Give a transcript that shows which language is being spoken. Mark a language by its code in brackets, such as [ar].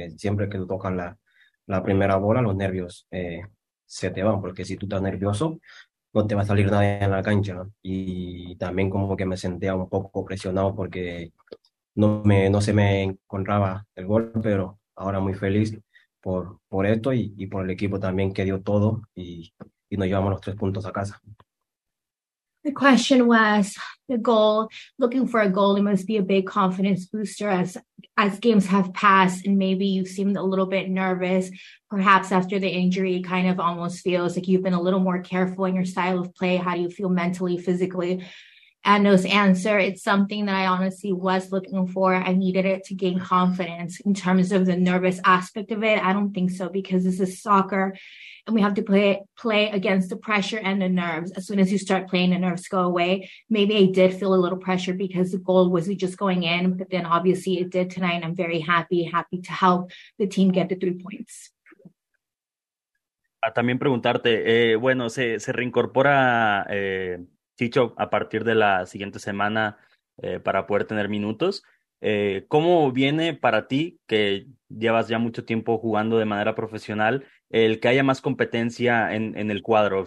[es] Siempre que tú tocas la primera bola, los nervios se te van, porque si tú estás nervioso, no te va a salir nadie en la cancha. Y también como que me sentía un poco presionado porque no se me encontraba el gol, pero ahora muy feliz por esto y por el equipo también que dio todo y nos llevamos los 3 puntos a casa. [en] The question was the goal. Looking for a goal, it must be a big confidence booster as games have passed, and maybe you seemed a little bit nervous. Perhaps after the injury, it kind of almost feels like you've been a little more careful in your style of play. How do you feel mentally, physically? And those answer, it's something that I honestly was looking for. I needed it to gain confidence. In terms of the nervous aspect of it, I don't think so, because this is soccer and we have to play against the pressure and the nerves. As soon as you start playing, the nerves go away. Maybe I did feel a little pressure because the goal wasn't just going in, but then obviously it did tonight, and I'm very happy to help the team get the 3 points. [es] A también preguntarte, bueno, se reincorpora Chicho a partir de la siguiente semana para poder tener minutos. ¿Cómo viene para ti, que llevas ya mucho tiempo jugando de manera profesional, el que haya más competencia en el cuadro?